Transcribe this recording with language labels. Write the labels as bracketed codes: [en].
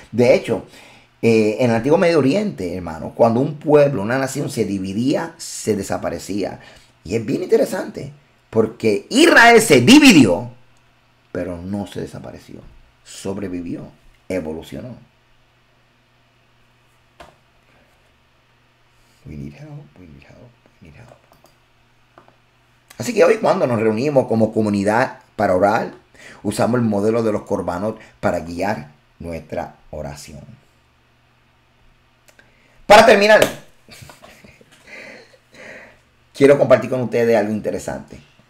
[es] De hecho, en el antiguo Medio Oriente, hermano, cuando un pueblo, una nación se dividía, se desaparecía. Y es bien interesante, porque Israel se dividió, pero no se desapareció. Sobrevivió, evolucionó. [en] We need help, we need help, we need help. [es] Así que hoy cuando nos reunimos como comunidad para orar, usamos el modelo de los corbanos para guiar nuestra oración. Para terminar, quiero compartir con ustedes algo interesante.